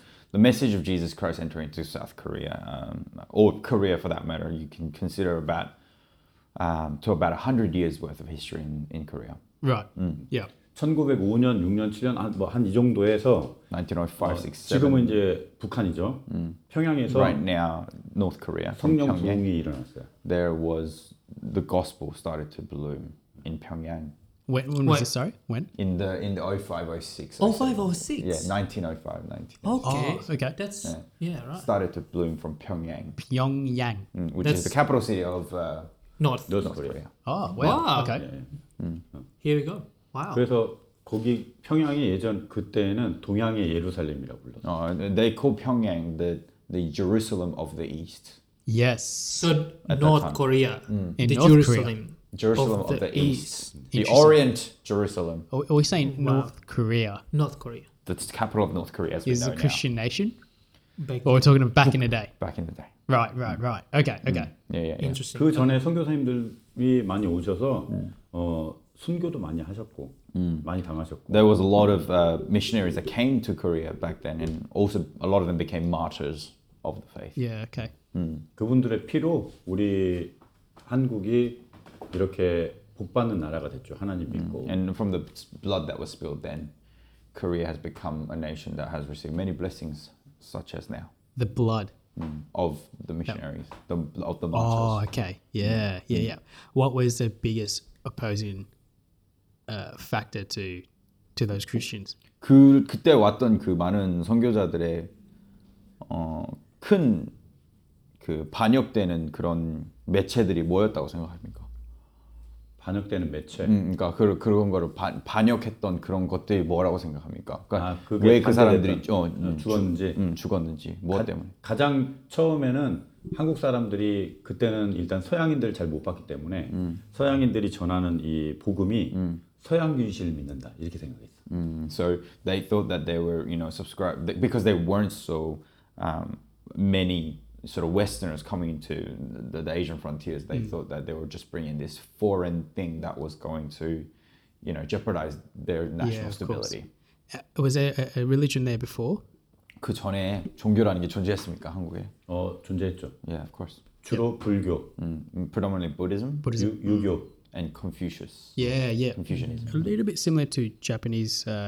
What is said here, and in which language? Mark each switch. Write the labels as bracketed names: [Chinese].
[English] The message of Jesus Christ entering into South Korea, or Korea for that matter, you can consider about to about 100 years worth of history in Korea. Right. Yeah. [Korean] 1905년, 6년, 7년 뭐 한 이 정도에서 [English] 1905, 6, 7. [Korean] 지금은 이제 북한이죠. 평양에서 [English] right now North Korea. [Korean] 성령 부흥이 일어났어요. [English] There was the gospel started to bloom in Pyongyang. When was it? Sorry, when? In the 0506. 0506? Yeah, 1905. Okay. Okay. That's, right. Started to bloom from Pyongyang. Pyongyang. Which is the capital city of North Korea. Oh, well, wow. Okay. Yeah. Here we go. Wow. [Korean] 그래서 거기 평양이 예전 그때는 동양의 예루살렘이라고 불렀어요. [English] They called Pyongyang the Jerusalem of the East. Yes. So North Korea. In the North Jerusalem. Korea. Jerusalem of the East. The Orient Jerusalem. Are we saying North Korea? North Korea. The capital of North Korea, as we know now. Is it a Christian nation? Or we're talking about back in the day? Back in the day. Right. Okay. Yeah. Interesting. [Korean] 그 전에 선교사님들이 많이 오셔서 순교도 많이 하셨고, 많이 당하셨고. [English] There was a lot of missionaries that came to Korea back then, and also a lot of them became martyrs of the faith. Yeah, okay. [Korean] 그분들의 피로 우리 한국이 이렇게 복받는 나라가 됐죠. 하나님 믿고. [English] And from the blood that was spilled then, Korea has become a nation that has received many blessings such as now? The blood. Of the missionaries, of the martyrs. Oh, okay. Yeah. What was the biggest opposing factor to those Christians? [Korean] 그때 왔던 그 많은 선교자들의 큰 그 반역되는 그런 매체들이 뭐였다고 생각합니까? 반역되는 매체? 그러니까 그런 거를 반역했던 그런 것들이 뭐라고 생각합니까? 그러니까 아, 왜 그 사람들이 죽었는지? 죽었는지, 무엇 때문에? 가장 처음에는 한국 사람들이 그때는 일단 서양인들을 잘 못 봤기 때문에 서양인들이 전하는 이 복음이 서양 귀신을 믿는다 이렇게 생각했어. [English] So they thought that they were, you know, subscribed because they weren't so many sort of Westerners coming into the Asian frontiers. They thought that they were just bringing this foreign thing that was going to, you know, jeopardize their national stability. Was there a religion there before? [Korean] 그 전에 종교라는 게 존재했습니까 한국에? 존재했죠. [English] Yeah, of course. [Korean] 주로 불교. [English] Predominantly Buddhism. Buddhism. [Korean] 유교. [English] And Confucius. Yeah. Confucianism. A little bit similar to Japanese